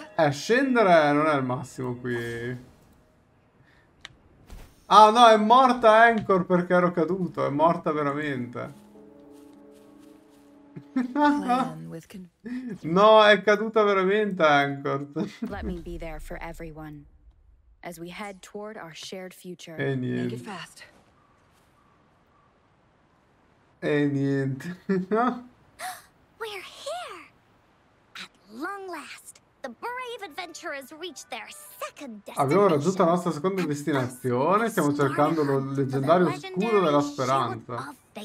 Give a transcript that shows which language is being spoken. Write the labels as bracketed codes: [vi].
[it] scendere non è il massimo qui. Ah, no, è morta Anchor perché ero caduto. È morta veramente. No, è caduta veramente Anchor. [en] Let me be there for everyone as we head toward our shared future. [it] E niente. E niente. [en] We're here. At long last, the brave adventurers reached their second destination. [it] Abbiamo raggiunto la nostra seconda destinazione. Stiamo cercando lo leggendario scudo della speranza.